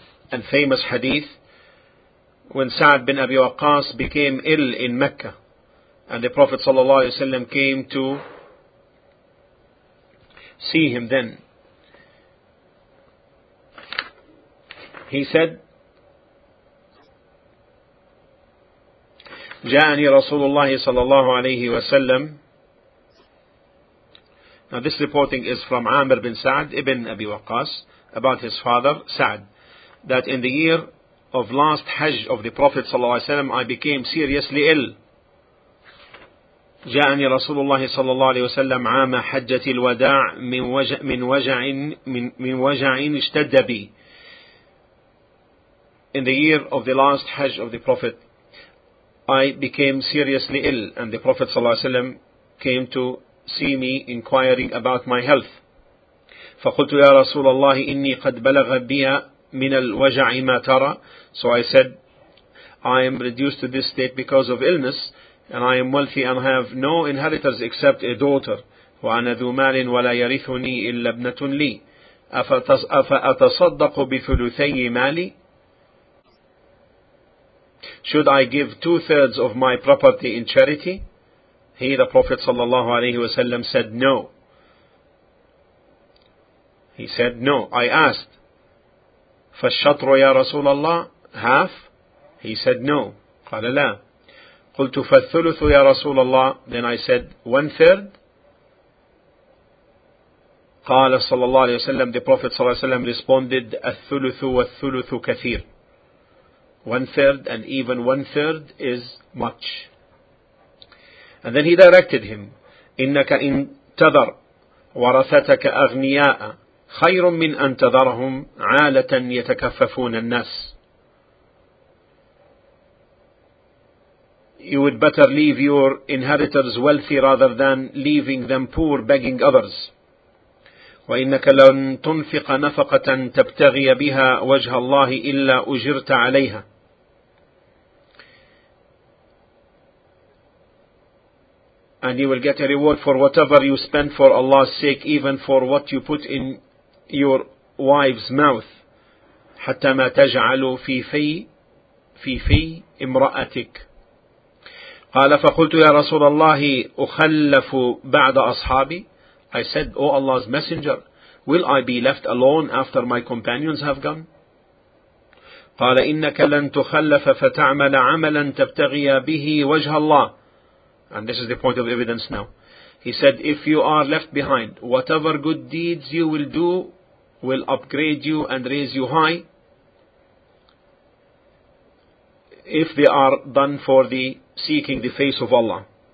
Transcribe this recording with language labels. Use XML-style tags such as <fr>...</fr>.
<en>And in this hadith, the lengthy hadith and famous hadith, when Sa'd bin Abi Waqqas became ill in Mecca, and the Prophet sallallahu alaihi wasallam came to see him then, he said,</en> <ar>جاءني رسول الله صلى الله عليه وسلم.</ar> <en>Now this reporting is from Amr bin Sa'd ibn Abi Waqqas about his father Sa'd, that in the year of last Hajj of the Prophet sallallahu alaihi wasallam, I became seriously ill.</en> <ar>جاءني رسول الله صلى الله عليه وسلم عام حجة الوداع من وجع اشتد بي.</ar> <en>In the year of the last Hajj of the Prophet, I became seriously ill, and the Prophet sallallahu alaihi wasallam came to see me, inquiring about my health.</en> <ar>فقلت يا رسول الله إني قد بلغ بي من الوجع ما ترى.</ar> <en>So I said, I am reduced to this state because of illness, and I am wealthy and have no inheritors except a daughter.</en> <ar>وأنا ذو مال ولا يرثني إلا ابنة لي. أفأتصدق بثلثي مالي؟</ar> <en>Should I give two-thirds of my property in charity? He, the Prophet صلى الله عليه وسلم, said no. He said no. I asked,</en> <ar>فالشطر يا رسول الله</ar> <en>half? He said no.</en> <ar>قال لا. قلت فالثلث يا رسول الله.</ar> <en>Then I said one third.</en> <ar>قال صلى الله عليه وسلم,</ar> <en>the Prophet صلى الله عليه وسلم responded,</en> <ar>الثلث والثلث كثير.</ar> <en>One third and even one third is much. And then he directed him,</en> <ar>إنك إن تذر ورثتك أغنياء خير من أن تذرهم عالة يتكففون الناس.</ar> <en>You would better leave your inheritors wealthy rather than leaving them poor, begging others.</en> <ar>وَإِنَّكَ لَنْ تُنْفِقَ نَفَقَةً تَبْتَغِيَ بِهَا وَجْهَ اللَّهِ إِلَّا أُجِرْتَ عَلَيْهَا.</ar> <en>And you will get a reward for whatever you spend for Allah's sake, even for what you put in your wife's mouth.</en> <ar>حتى ما تجعل في امرأتك. قال فقلت يا رسول الله أخلف بعد أصحابي.</ar> <en>I said, O Allah's messenger, will I be left alone after my companions have gone?</en> <ar>قال إنك لن تخلف فتعمل عملا تبتغي به وجه الله.</ar> <en>And this is the point of evidence now. He said, if you are left behind, whatever good deeds you will do will upgrade you and raise you high, if they are done for the seeking the face of Allah.</en>